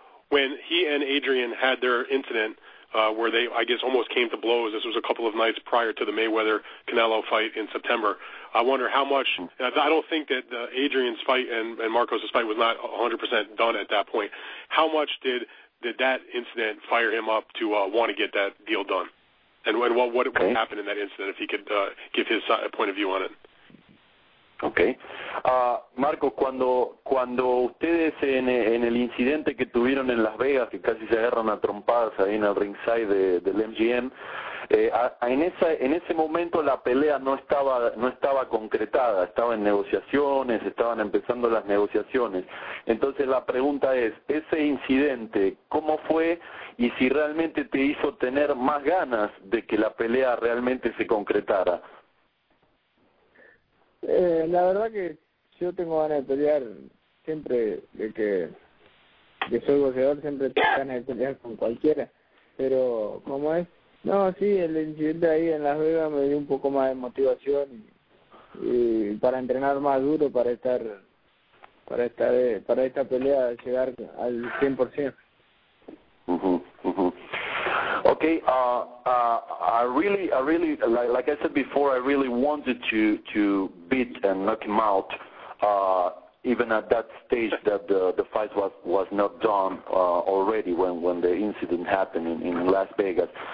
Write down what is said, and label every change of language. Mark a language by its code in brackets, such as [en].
[en] When he and Adrian had their incident where they, I guess, almost came to blows, this was a couple of nights prior to the Mayweather-Canelo fight in September, I wonder how much – I don't think that Adrian's fight and Marcos's fight was not 100% done at that point. How much did that incident fire him up to want to get that deal done? And what happened in that incident, if he could give his point of view on it? Okay. [es] Marcos, cuando ustedes en el incidente que tuvieron en Las Vegas, que casi se agarran a trompadas ahí en el ringside del MGM, en ese momento la pelea no estaba concretada, estaba en negociaciones, estaban empezando las negociaciones. Entonces la pregunta es, ese incidente, ¿cómo fue y si realmente te hizo tener más ganas de que la pelea realmente se concretara? La verdad que yo tengo ganas de pelear siempre, de que soy boxeador, siempre tengo ganas de pelear con cualquiera, pero como es, no, sí, el incidente ahí en Las Vegas me dio un poco más de motivación y para entrenar más duro para esta pelea llegar al 100%. [en] Okay, I really like I said before, I really wanted to beat and knock him out, even at that stage that the fight was not done already when the incident happened in Las Vegas.